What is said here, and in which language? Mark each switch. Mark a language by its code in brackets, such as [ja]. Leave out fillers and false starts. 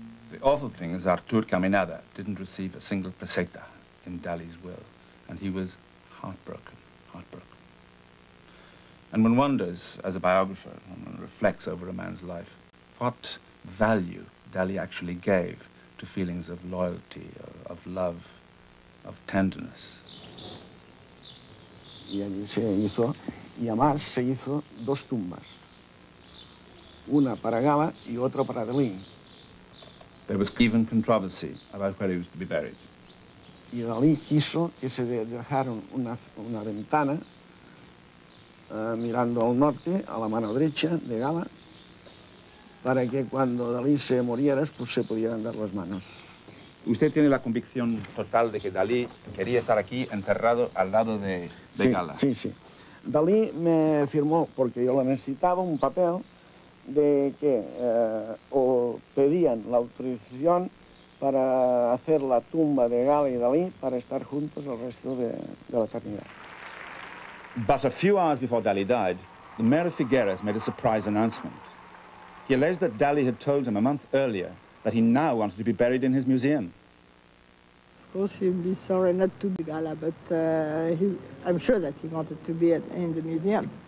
[en] The awful thing is Artur Caminana didn't receive a single peseta in Dalí's will, and he was heartbroken. And one wonders, as a biographer, when one reflects over a man's life, what value Dalí actually gave to feelings of loyalty, of love, of tenderness. [es] Y allí se hizo, y además se hizo dos tumbas, una para Gala y otra para Dalí. [en] There was even controversy about where he was to be buried. [es] Y Dalí quiso que se dejaron una ventana mirando al norte, a la mano derecha de Gala, para que cuando Dalí se muriera, pues se pudieran dar las manos. ¿Usted tiene la convicción total de que Dalí quería estar aquí enterrado al lado de sí, Gala? Sí, sí. Dalí me firmó, porque yo lo necesitaba, un papel de que o pedían la autorización para hacer la tumba de Gala y Dalí para estar juntos el resto de la eternidad. [en] But a few hours before Dalí died, the mayor of Figueres made a surprise announcement. He alleged that Dalí had told him a month earlier that he now wanted to be buried in his museum. Of course, he'd be sorry not to be Gala, but I'm sure that he wanted to be in the museum.